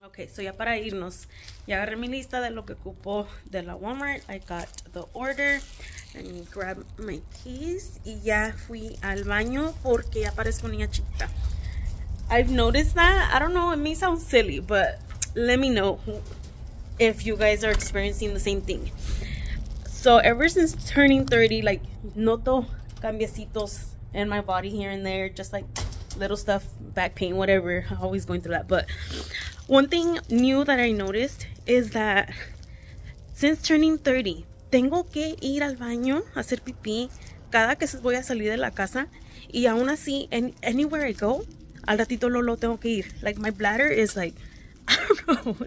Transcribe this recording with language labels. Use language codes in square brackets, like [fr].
[es] Okay, so ya para irnos, ya agarré mi lista de lo que ocupo de la Walmart. [en] I got the order. Let me grab my keys. [es] Y ya fui al baño porque ya parezco niña chiquita. [en] I've noticed that. I don't know, it may sound silly, but let me know if you guys are experiencing the same thing. So ever since turning 30, like, [es] noto cambiecitos [en] in my body here and there, just like little stuff, back pain, whatever, always going through that. But One thing new that I noticed is that since turning 30, [es] tengo que ir al baño a hacer pipí cada que voy a salir de la casa. Y aún así, [en] anywhere I go, [es] al ratito lo tengo que ir. [en] Like, my bladder is like, I don't know.